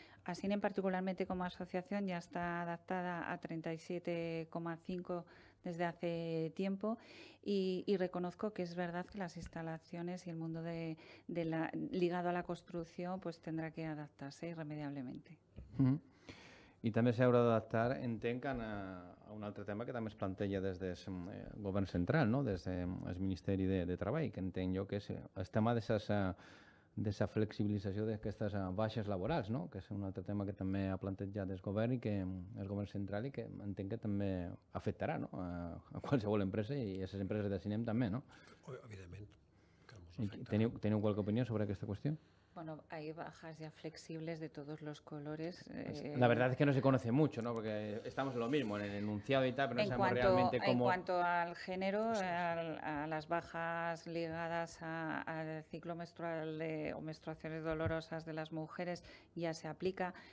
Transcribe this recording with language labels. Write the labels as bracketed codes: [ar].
[es] Así, en particularmente como asociación, ya está adaptada a 37,5 desde hace tiempo y reconozco que es verdad que las instalaciones y el mundo ligado a la construcción pues tendrá que adaptarse irremediablemente. Mm-hmm. [ca] I també s'haurà d'adaptar, entenc, a un altre tema que també es planteja des del govern central, no? Des del Ministeri de Treball, que entenc jo que és el tema de la flexibilització d'aquestes baixes laborals, no? Que és un altre tema que també ha plantejat el govern i que el govern central i que entenc que també afectarà, no? A qualsevol empresa i a les empreses de cinema també, no? Evidentment. Teniu qualque opinió sobre aquesta qüestió? [es] Bueno, hay bajas ya flexibles de todos los colores. La verdad es que no se conoce mucho, ¿no? Porque estamos lo mismo, en el enunciado y tal, pero no sabemos realmente cómo... En cuanto al género, a las bajas ligadas al ciclo menstrual o menstruaciones dolorosas de las mujeres, ya se aplica.